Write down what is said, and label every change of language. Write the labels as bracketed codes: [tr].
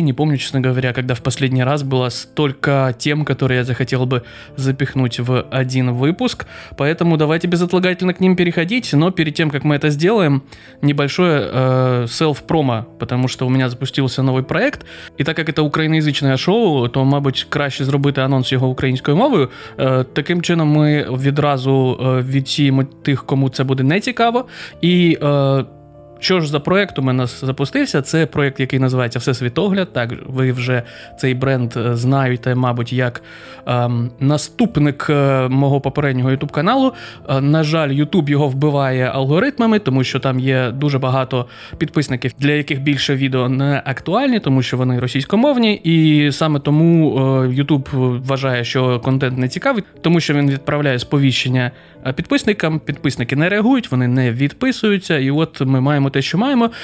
[ru] Не помню, честно говоря, когда в последний раз было столько тем, которые я захотел бы запихнуть в один выпуск. Поэтому давайте безотлагательно к ним переходить. Но перед тем, как мы это сделаем, небольшое селф-промо, потому что у меня запустился новый проект. И так как это украиноязычное шоу, то, [uk] мабуть, краще зробити анонс його українською мовою. Таким чином ми відразу відсіємо тих, кому це буде не цікаво. Що ж за проєкт у мене запустився? Це проєкт, який називається «Всесвітогляд». Так, ви вже цей бренд знаєте, мабуть, як наступник мого попереднього YouTube-каналу. На жаль, YouTube його вбиває алгоритмами, тому що там є дуже багато підписників, для яких більше відео не актуальні, тому що вони російськомовні. І саме тому YouTube вважає, що контент не цікавий, тому що він відправляє сповіщення підписникам, підписники не реагують, вони не відписуються, і от ми маємо те, що маємо.